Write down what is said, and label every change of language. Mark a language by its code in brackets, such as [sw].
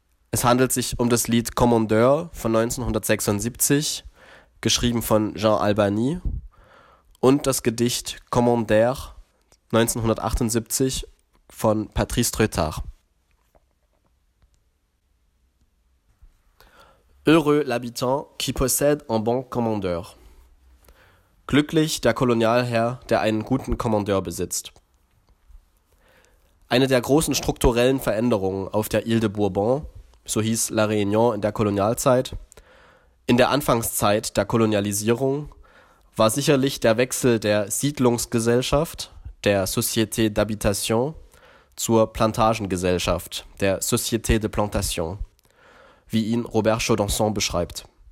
[de] Es handelt sich um das Lied Commandeur von 1976, geschrieben von Jean Albany, und das Gedicht Commandeur 1978 von Patrice Tretard. [fr] Heureux l'habitant qui possède un bon commandeur. [de] Glücklich der Kolonialherr, der einen guten Kommandeur besitzt. Eine der großen strukturellen Veränderungen auf der Ile de Bourbon, so hieß La Réunion in der Kolonialzeit, in der Anfangszeit der Kolonialisierung, war sicherlich der Wechsel der Siedlungsgesellschaft, der Société d'Habitation, zur Plantagengesellschaft, der Société de Plantation, wie ihn Robert Chaudenson beschreibt.